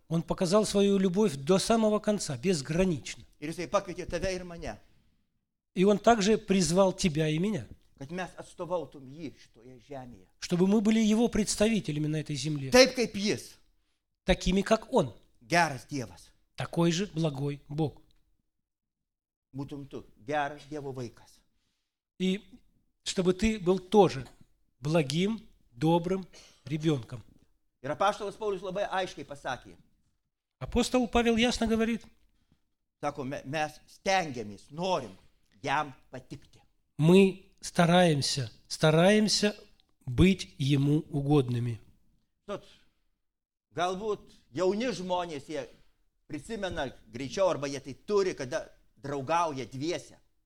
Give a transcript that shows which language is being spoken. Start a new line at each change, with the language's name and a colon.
Russian: Он показал свою любовь до самого конца, безгранично.
Lithuanian: Ir jisai pakvietė tave ir mane.
Russian: И он также призвал тебя и меня.
Lithuanian: Kad mes atstovautum jį šitoje žemėje.
Russian: Чтобы мы были его представителями на этой земле.
Lithuanian: Taip kaip jis.
Russian: Такими как он.
Lithuanian: Geras Dievas.
Russian: Такой же благой Бог.
Lithuanian: Būtum tu geras Dievo vaikas.
Russian: И чтобы ты был тоже благим, добрым ребенком.
Lithuanian: Ir apaštalas Paulius labai aiškiai pasakė.
Russian: Апостол Павел ясно говорит.
Lithuanian: Sako, mes stengiamės, norim jam patikti.
Russian: Мы стараемся, стараемся быть ему угодными. Тут,
Lithuanian: galbūt, jauni žmonės, jie prisimena greičiau, arba jie tai turi,
Russian: когда
Lithuanian: draugauja dviese.